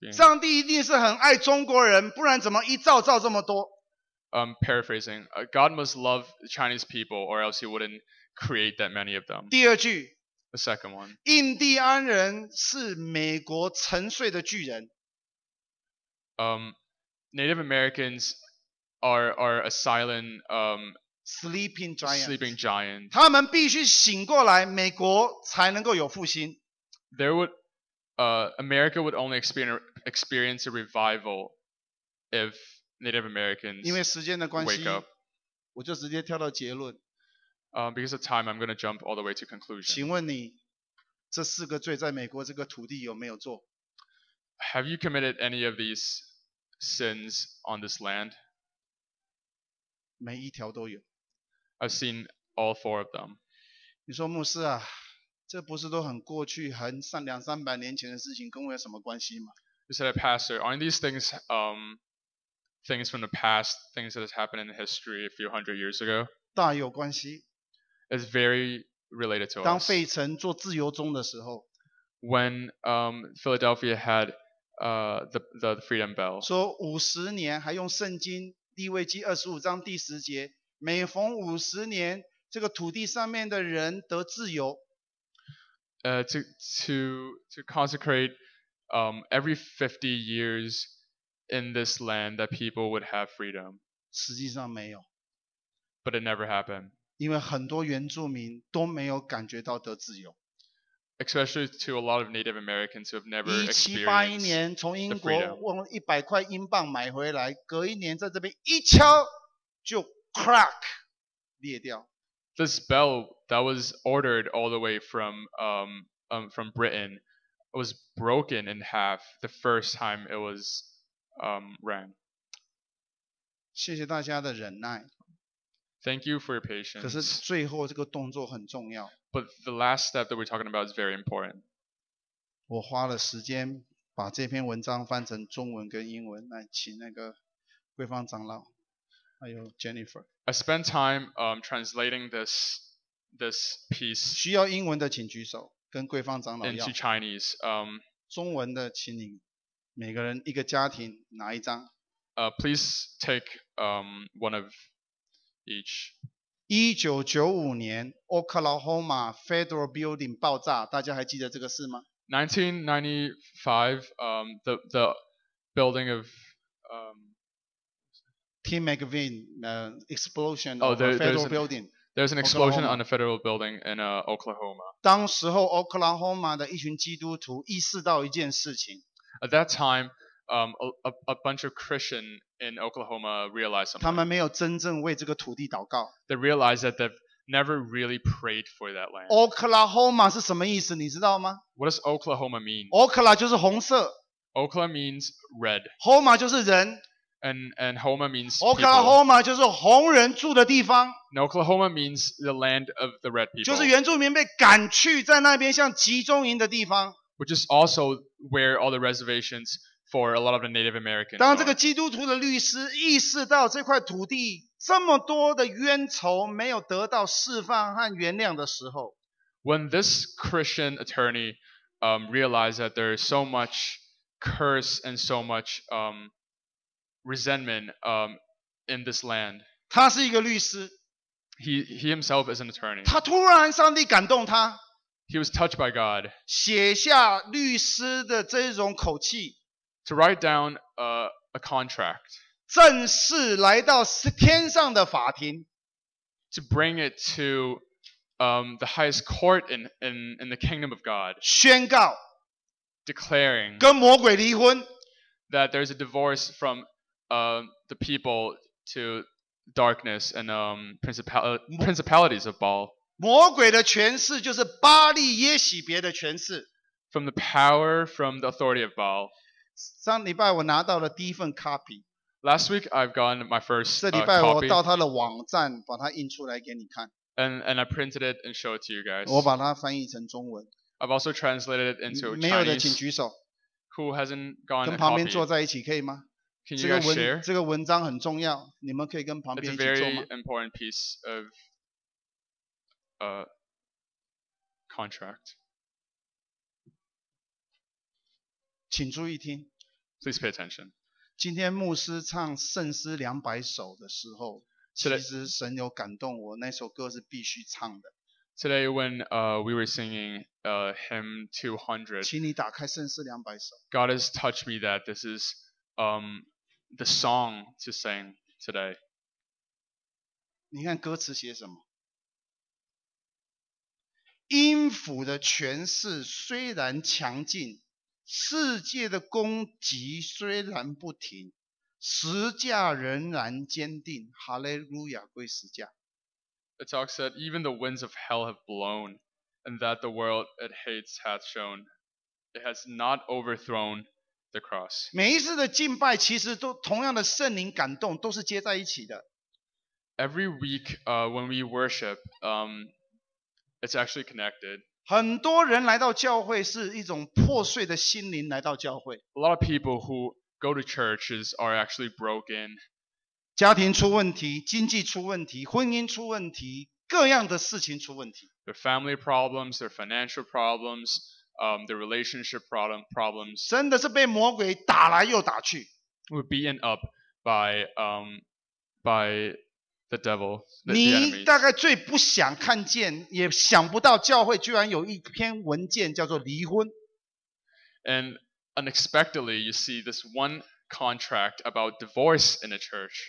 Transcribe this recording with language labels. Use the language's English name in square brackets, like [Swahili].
[Chinese] 上帝一定是很爱中国人，不然怎么一造造这么多 [English] ？Paraphrasing, God must love Chinese people, or else He wouldn't create that many of them. [Chinese] 第二句。 [English] The second one. [Chinese] 印第安人是美国沉睡的巨人。 [English] Native Americans are a silent sleeping giant. Sleeping giant. [Chinese] 他们必须醒过来，美国才能够有复兴。 [English] There would America would only experience a revival if Native Americans. [Chinese] 因为时间的关系， [English] wake up. [Chinese] 我就直接跳到结论。 [English] Because of time, I'm going to jump all the way to conclusion. [Chinese] 请问你这四个罪在美国这个土地有没有做？ [English] Have you committed any of these sins on this land? [Chinese] 每一条都有。 [English] I've seen all four of them. [Chinese] 你说牧师啊，这不是都很过去，很上两三百年前的事情，跟我有什么关系吗？ [English] You said, Pastor, aren't these things things from the past, things that has happened in history a few hundred years ago? [Chinese] 大有关系。 [English] Is very related to us. [Chinese] 当费城做自由宗的时候 [English] ，When Philadelphia had the Freedom Bell. [Chinese] 说五十年还用圣经利未记二十五章第十节，每逢五十年，这个土地上面的人得自由。 [English] To consecrate every 50 years in this land that people would have freedom. [Chinese] 实际上没有。 [English] But it never happened. [Chinese] 因为很多原住民都没有感觉到得自由。 [English] Especially to a lot of Native Americans who have never experienced the freedom. [Chinese] 1781年从英国用100块英镑买回来，隔一年在这边一敲就 crack 裂掉。 [English] This bell that was ordered all the way from Britain was broken in half the first time it was rang. [Chinese] 谢谢大家的忍耐。 [English] Thank you for your patience. [Chinese] 可是最后这个动作很重要。 [English] But the last step that we're talking about is very important. [Chinese] 我花了时间把这篇文章翻成中文跟英文，来请那个桂芳长老，还有 Jennifer。 [English] I spent time translating this piece. [Chinese] 需要英文的请举手，跟桂芳长老要。 [English] Into Chinese. [Chinese] 中文的，请你每个人一个家庭拿一张。 [English] Please take one of each. [Chinese] 1995年 Oklahoma Federal Building 爆炸，大家还记得这个事吗？ [English] 1995, the building of Tim McVeigh explosion of federal building. There's an explosion on a federal building in Oklahoma. [Chinese] 当时候 Oklahoma 的一群基督徒意识到一件事情。 [English] At that time,a bunch of Christian in Oklahoma realized something. [Chinese] 他们没有真正为这个土地祷告。 [English] They realized that they've never really prayed for that land. [Chinese] Oklahoma 是什么意思？你知道吗？ [English] What does Oklahoma mean? [Chinese] Oklahoma 就是红色。 [English] Oklahoma means red. [Chinese] Homa 就是人。 [English] And Homa means people. [Chinese] Oklahoma 就是红人住的地方。 [English] And Oklahoma means the land of the red people. [Chinese] 就是原住民被赶去在那边像集中营的地方。 [English] Which is also where all the reservations. For a lot of the Native Americans. [Chinese] 当这个基督徒的律师意识到这块土地这么多的冤仇没有得到释放和原谅的时候， [English] When this Christian attorney realized that there is so much curse and so much resentment in this land. [Chinese] 他是一个律师。 [English] He himself is an attorney. [Chinese] 他突然上帝感动他。 [English] He was touched by God. [Chinese] 写下律师的这种口气。 [English] To write down a contract. [Chinese] 正式来到天上的法庭。 [English] To bring it to the highest court in the kingdom of God. [Chinese] 宣告。 [English] Declaring. [Chinese] 跟魔鬼离婚。 [English] That there's a divorce from the people to darkness and principalities of Baal. [Chinese] 魔鬼的权势就是巴利耶洗别的权势。 [English] From the power from the authority of Baal. [Chinese] 上礼拜我拿到了第一份 copy. [English] Last week I've gotten my first copy. [Chinese] 这礼拜我到他的网站把它印出来给你看。 [English] And I printed it and show it to you guys. [Chinese] 我把它翻译成中文。 [English] I've also translated it into Chinese. [Chinese] 没有的请举手。 [English] Who hasn't gotten a copy? [Chinese] 跟旁边坐在一起可以吗？ [English] Can you guys share? [Chinese] 这个文章很重要，你们可以跟旁边一起做吗？ [English] It's a very important piece of contract. [Chinese] 请注意听。 [English] Please pay attention. [Chinese] 今天牧师唱圣诗200首的时候，其实神有感动我，那首歌是必须唱的。 [English] Today when we were singing hymn 200, [Chinese] 请你打开圣诗200首。 [English] God has touched me that this is the song to sing today. [Chinese] 你看歌词写什么？音符的诠释虽然强劲。世界的攻击虽然不停，十架仍然坚定。 Hallelujah, 归十架。 [English] It talks that even the winds of hell have blown, and that the world it hates hath shown, it has not overthrown the cross. [Chinese] 每一次的敬拜其实都同样的圣灵感动，都是接在一起的。 [English] Every week, when we worship, it's actually connected. [Chinese] 很多人来到教会是一种破碎的心灵来到教会。 [English] A lot of people who go to churches are actually broken. [Chinese] 家庭出问题，经济出问题，婚姻出问题，各样的事情出问题。 [English] Their family problems, their financial problems, their relationship problems. [Chinese] 真的是被魔鬼打来又打去。 [English] We're beaten up by. The devil, the [Chinese] 你大概最不想看见，也想不到教会居然有一篇文件叫做离婚。 [English] And unexpectedly, you see this one contract about divorce in a church.